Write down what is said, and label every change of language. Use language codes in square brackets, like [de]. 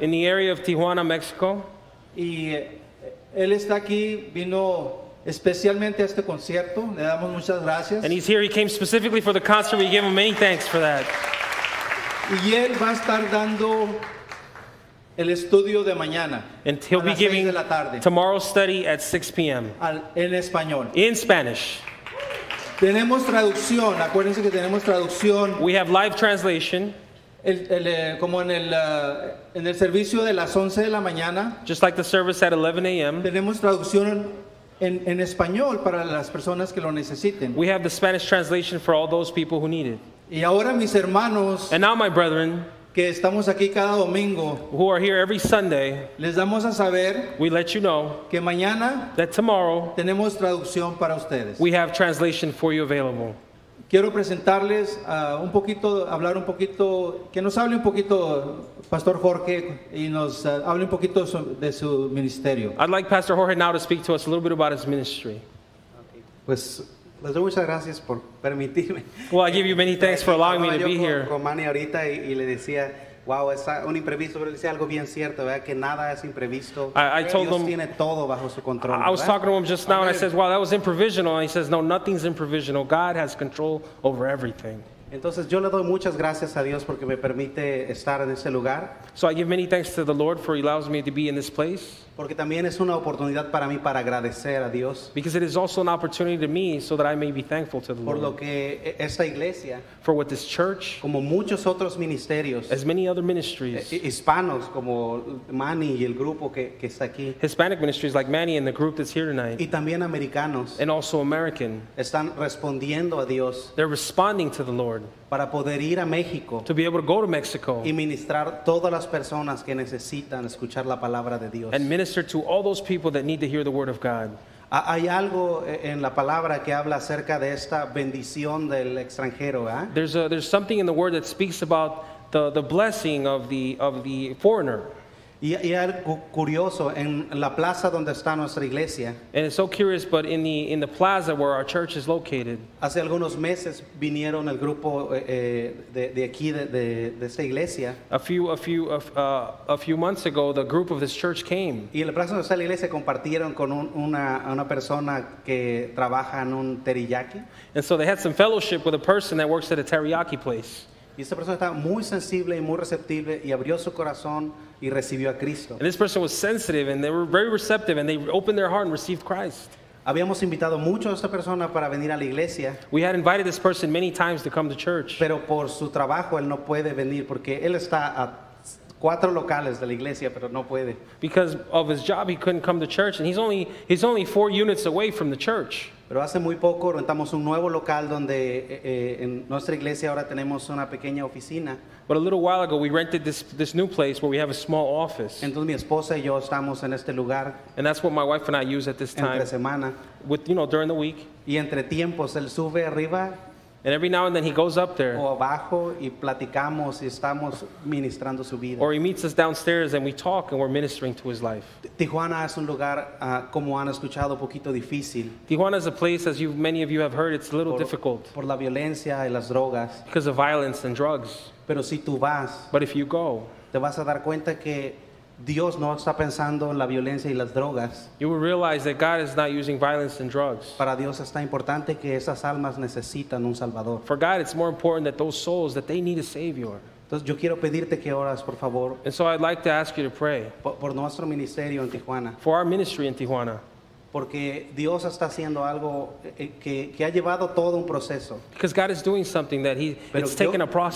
[en] In the area of Tijuana, Mexico. [es] Y él está aquí, vino especialmente a este concierto. Le damos muchas gracias. [en] And he's here. He came specifically for the concert. We give him many thanks for that. [es] Y él va a estar dando el estudio de mañana. [en] And he'll be giving tomorrow's study at 6 p.m. [es] En español. [en] In Spanish. [es] Tenemos traducción. Acuérdense que tenemos traducción. [en] We have live translation. [es] En el servicio de las 11 de la mañana. [en] Just like the service at 11 a.m. [es] Tenemos traducción en español para las personas que lo necesiten. [en] We have the Spanish translation for all those people who need it. [es] Y ahora mis hermanos. [en] And now my brethren. [es] Que estamos aquí cada domingo. [en] Who are here every Sunday. [es] Les damos a saber. [en] We let you know. [es] Que mañana. [en] That tomorrow. [es] Tenemos traducción para ustedes. [en] We have translation for you available. [es] Quiero presentarles un poquito, hablar un poquito, que nos hable un poquito Pastor Jorge y nos hable un poquito de su ministerio. [en] I'd like Pastor Jorge now to speak to us a little bit about his ministry. [es] Pues les doy muchas gracias por permitirme. [en] Well, I give you many thanks for allowing me to be here. [es] Con Manny ahorita y le decía, wow, es un imprevisto, pero le decía algo bien cierto, ¿verdad? Que nada es imprevisto. [en] I told him, [es] tiene todo bajo su control. [en] I was talking to him just now, and I said, wow, that was improvisational. And he says, no, nothing's improvisational. God has control over everything. [es] Entonces, yo le doy muchas gracias a Dios porque me permite estar en ese lugar. [en] So I give many thanks to the Lord for allows me to be in this place. [es] Porque también es una oportunidad para mí para agradecer a Dios. [en] Because it is also an opportunity to me so that I may be thankful to the [es] por Por lo que esta iglesia. [en] For what this church. [es] Como muchos otros ministerios. [en] As many other ministries. [es] Hispanos como Manny y el grupo que está aquí. [en] Hispanic ministries like Manny and the group that's here tonight. [es] Y también americanos. [en] And also American. [es] Están respondiendo a Dios. [en] They're responding to the Lord. [es] Para poder ir a México. [en] To be able to go to Mexico. [es] Y ministrar todas las personas que necesitan escuchar la palabra de Dios. [en] And minister to all those people that need to hear the word of God. [es] Hay algo en la palabra que habla acerca de esta bendición del extranjero, ¿eh? [en] There's something in the word that speaks about the blessing of the foreigner. [es] Y algo curioso en la plaza donde está nuestra iglesia. [en] And it's so curious, but in the plaza where our church is located. [es] Hace algunos meses vinieron el grupo de aquí de esta iglesia. [en] A few months ago, the group of this church came. [es] Y en la plaza donde está la iglesia compartieron con una persona que trabaja en un teriyaki. [en] And so they had some fellowship with a person that works at a teriyaki place. [es] Y esta persona estaba muy sensible y muy receptiva y abrió su corazón y recibió a Cristo. [en] And this person was sensitive and they were very receptive and they opened their heart and received Christ. [es] Habíamos invitado mucho a esta persona para venir a la iglesia. [en] We had invited this person many times to come to church. [es] Pero por su trabajo él no puede venir porque él está a cuatro locales de la iglesia, pero no puede. [en] Because of his job he couldn't come to church and he's only four units away from the church. [es] Pero hace muy poco rentamos un nuevo local donde en nuestra iglesia ahora tenemos una pequeña oficina. [en] But a little while ago we rented this new place where we have a small office. [es] Entonces mi esposa y yo estamos en este lugar. [en] And that's what my wife and I use at this time. [es] Entre semana. [en] With, you know, during the week. [es] Y entre tiempos él sube arriba. [en] And every now and then he goes up there. [es] O abajo y platicamos y estamos ministrando su vida. [en] Or he meets us downstairs and we talk and we're ministering to his life. [es] Tijuana es un lugar como han escuchado poquito difícil. [en] Tijuana is a place as you many of you have heard it's a little difficult. [es] Por la violencia y las drogas. [en] Because of violence and drugs. [es] Pero si tú vas. [en] But if you go. [es] Te vas a dar cuenta que Dios no está pensando en la violencia y las drogas. [en] You will realize that God is not using violence and drugs. [es] Para Dios está importante que esas almas necesitan un Salvador. [en] For God, it's more important that those souls, that they need a Savior. [es] Entonces yo quiero pedirte que oras, por favor. [en] And so I'd like to ask you to pray. [es] Por nuestro ministerio en Tijuana. [en] For our ministry in Tijuana. [es] Porque Dios está haciendo algo que ha llevado todo un proceso. [en] Because God is doing something that it's taken a process.